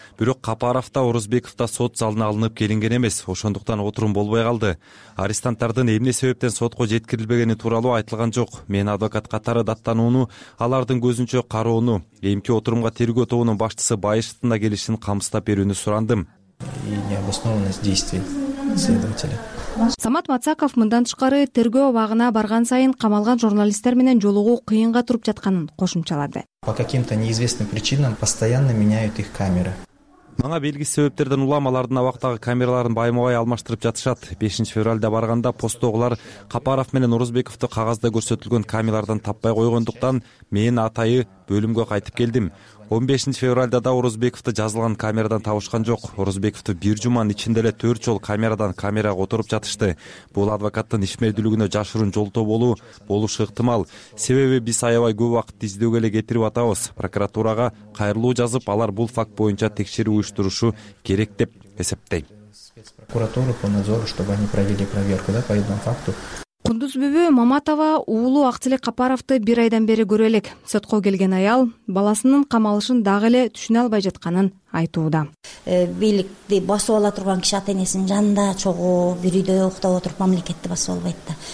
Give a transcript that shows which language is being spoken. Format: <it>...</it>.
<ky>Бирок Капаров да Орозбеков да сот залына алынып келинген эмес, ошондуктан отурум болбой калды. Арестанттардын эмне себептен сотко жеткирилбегени тууралуу айтылган жок. Мен адвокат катары даттанууну, алардын көзүнчө кароону, эмки отурумга тергөө тобунун башчысы Байыштын да келишин камсыздап берүүнү сурандым.</ky> <ru>И необоснованность действий следователя.</ru> <ky>Самат Мацаков мындан тышкары тергөө абагына барган сайын камалган журналисттер менен жолугуу кыйынга туруп жатканын кошумчалады.</ky> <ru>По каким-то неизвестным причинам постоянно меняют их камеры.</ru> <ky>Мага белгисиз себептерден улам алардын абактагы камераларын байма-бай алмаштырып жатышат. 5-февралда барганда постогулар Капаров менен Орозбековду кагазда көрсөтүлгөн камералардан таппай койгондуктан мен атайы бөлүмгө кайтып келдим. 15-февралда да Орозбековду жазылган камерадан табышкан жок. Орозбековду бир жуманын ичинде эле 4 жол камерадан камерага отуруп жатышты. Бул адвокаттын ишмердүүлүгүнө жашыруун жолтоо болушу ыктымал. Себеби биз аябай көп убакыт издөөгө эле кетирип атабыз. Прокуратурага кайрылуу жазып, алар бул факт боюнча текшерүү уюштурушу керек деп эсептейм.</ky> <ru>Прокуратура по надзору, чтобы они провели проверку, да, по этому факту.</ru> <ky>Кундуз бүбү Маматова уулу Акчылык Капаровду бир айдан бери көрө элек. Сотко келген аял баласынын камалышын дагы эле түшүнө албай жатканын айтууда. Бийликти басып ала турган киши ата энесинин жанында чогуу бир үйдө уктап отуруп мамлекетти басып албайт да.</ky>